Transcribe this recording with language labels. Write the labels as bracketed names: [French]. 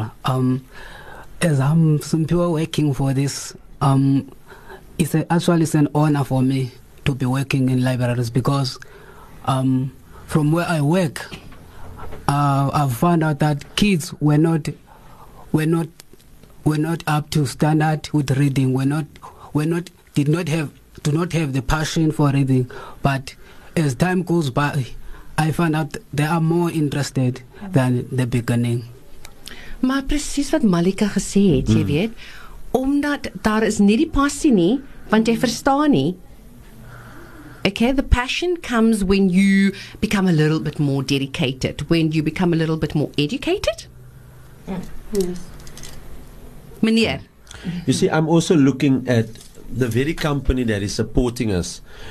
[English] As I'm Simpiwe working for this, it's an honor for me to be working in libraries because from where I work, I found out that kids were not up to standard with reading. Do not have the passion for reading. But as time goes by, I found out they are more interested than the beginning. [Afrikaans] Maar presies wat Malika gesê het, jy weet, omdat daar is nie die passie nie, want jy verstaan nie. [English] Okay, the passion comes when you become a little bit more dedicated, when you become a little bit more educated. Yeah. Yes. Meneer. You see, I'm also looking at the very company that is supporting us.